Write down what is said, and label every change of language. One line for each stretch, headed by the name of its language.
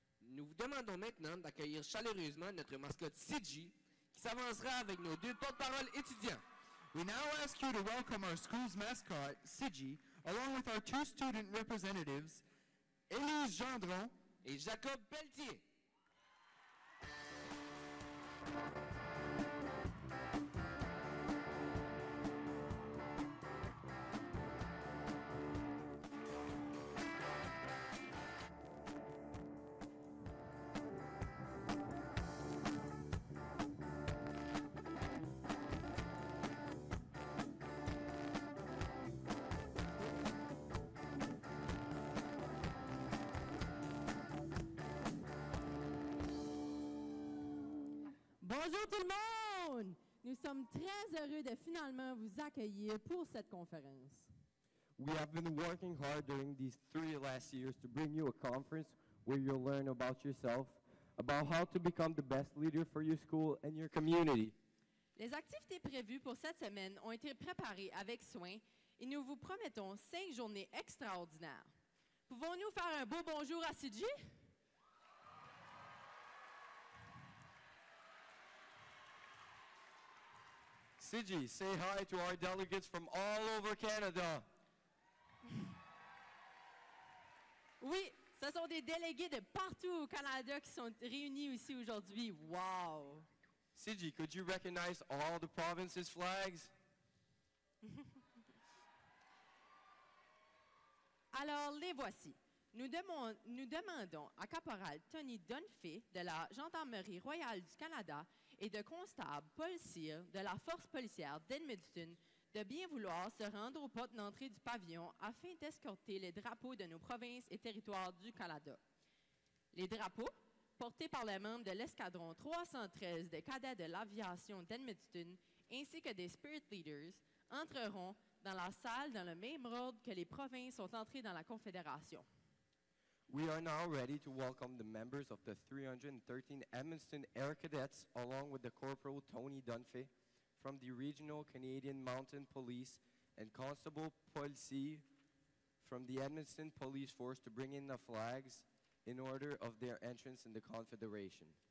French: Nous vous demandons maintenant d'accueillir chaleureusement notre mascotte CG qui s'avancera avec nos deux porte-parole étudiants.
English: We now ask you to welcome our school's mascot, CG, along with our two student representatives, Élise Gendron
French: et Jacob Pelletier. Bonjour tout le monde! Nous sommes très heureux de finalement vous accueillir pour cette conférence.
English: We have been working hard during these three last years to bring you a conference where you'll learn about yourself, about how to become the best leader for your school and your community.
French: Les activités prévues pour cette semaine ont été préparées avec soin et nous vous promettons cinq journées extraordinaires. Pouvons-nous faire un beau bonjour à CG?
English: CG, say hi to our delegates from all over Canada.
French: Oui, ce sont des délégués de partout au Canada qui sont réunis ici aujourd'hui.
English: Wow! CG, could you recognize all the provinces' flags?
French: Alors, les voici. Nous demandons à Caporal Tony Dunphy de la Gendarmerie royale du Canada et de Constable Paul Cyr de la Force policière d'Edmonton de bien vouloir se rendre aux portes d'entrée du pavillon afin d'escorter les drapeaux de nos provinces et territoires du Canada. Les drapeaux, portés par les membres de l'escadron 313 des cadets de l'aviation d'Edmonton ainsi que des Spirit Leaders, entreront dans la salle dans le même ordre que les provinces sont entrées dans la Confédération.
English: We are now ready to welcome the members of the 313 Edmonton Air Cadets along with the Corporal Tony Dunphy from the Regional Canadian Mounted Police and Constable Paul Cyr from the Edmonton Police Force to bring in the flags in order of their entrance in the Confederation.